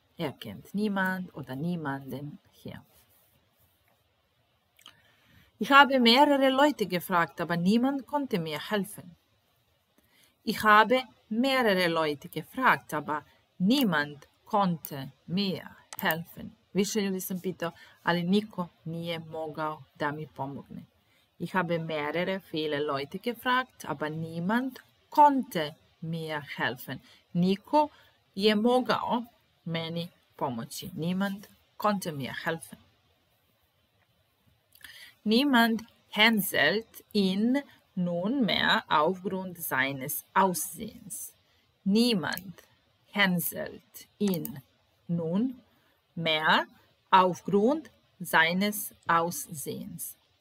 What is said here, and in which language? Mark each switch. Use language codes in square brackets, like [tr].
[de] Er kennt niemand oder niemanden hier. Ich habe mehrere Leute gefragt, aber niemand konnte mir helfen. Ich habe mehrere Leute gefragt, aber niemand konnte mir helfen. [sr] Više ljudi sam pitao, ali niko nije mogao da mi pomogne. [de] Ich habe mehrere viele Leute gefragt, aber niemand konnte mir helfen. [sr] Niko je mogao meni pomoći. [de] Niemand konnte mir helfen. Niemand hänselt ihn nunmehr aufgrund seines Aussehens. Niemand hänselt ihn nun mehr aufgrund seines Aussehens.